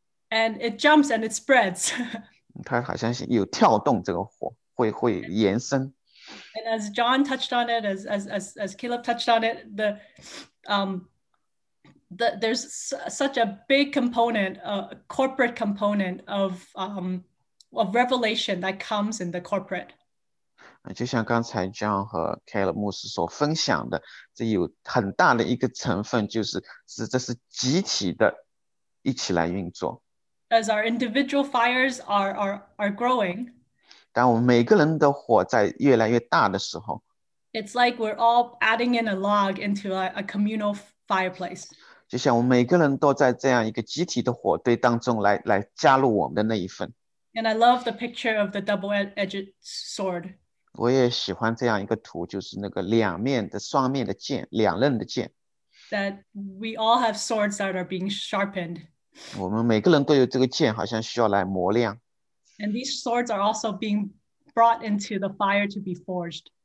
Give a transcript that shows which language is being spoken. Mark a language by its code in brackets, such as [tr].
[en] And it jumps and it spreads. [zh] 它好像是有跳动，这个火。会延伸。 [en] And as John touched on it, as Caleb touched on it, there's such a big component, a corporate component of revelation that comes in the corporate. [zh] 就像刚才 John 和 Caleb 牧师所分享的，这有很大的一个成分，就是这是集体的，一起来运作。 [en] As our individual fires are growing. [zh] 当我们每个人的火在越来越大的时候 [en] ，It's like we're all adding in a log into a communal fireplace. [zh] 就像我们每个人都在这样一个集体的火堆当中来加入我们的那一份。 [en] And I love the picture of the double-edged sword. [zh] 我也喜欢这样一个图，就是那个两面的双面的剑，两刃的剑。 [en] That we all have swords that are being sharpened. [zh] 我们每个人都有这个剑，好像需要来磨亮。 [en] And these swords are also being brought into the fire to be forged.